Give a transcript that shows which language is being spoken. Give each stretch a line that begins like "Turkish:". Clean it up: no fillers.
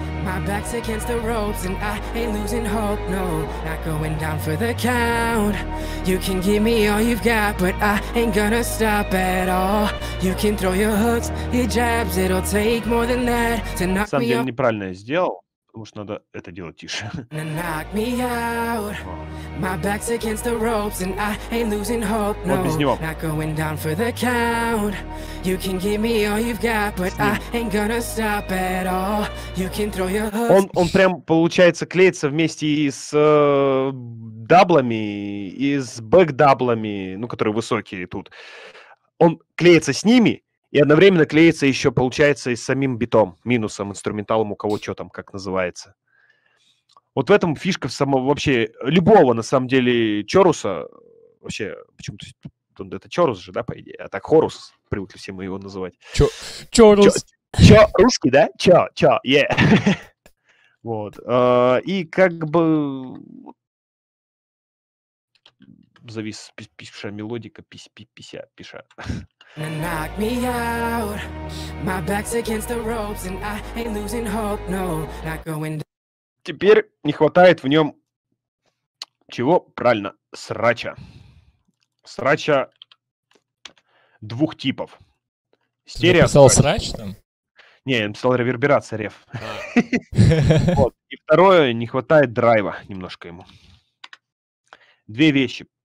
English: My back's against the ropes and I ain't losing hope, no. Not going down for the count. You can give me all you've got, but I ain't gonna stop at all. You can throw your hooks, your jabs, it'll take more than that to knock me out.
Russian: На самом деле неправильно я сделал, потому что надо это делать тише.
English: Knock me out. My back's against the ropes and I ain't losing hope, no.
Russian: Вот без него.
English: Not going down for the count. You can give me all you've got, but I ain't gonna stop at all. You can throw your hooks.
Russian: Он прям получается клеится вместе и с даблами, и с бэк-даблами, ну, которые высокие тут. Он клеится с ними и одновременно клеится еще, получается, и с самим битом, минусом, инструменталом, у кого что там, как называется. Вот в этом фишка самого вообще любого, на самом деле, Чоруса. Вообще, почему-то это Чорус же, да, по идее? А так Хорус, привыкли все мы его называть. Чорус. Чорусский, да? Yeah. Вот. И как бы... Завис, пиша мелодика, пиша.
English: Knock me out. My back's against the ropes and I ain't losing hope, no. Not going down.
Russian: Теперь не хватает в нем чего? Правильно, срача. Срача двух типов. Стерео. Написал срач там? Не, я написал реверберация, реф. И второе, не хватает драйва немножко ему. Две вещи.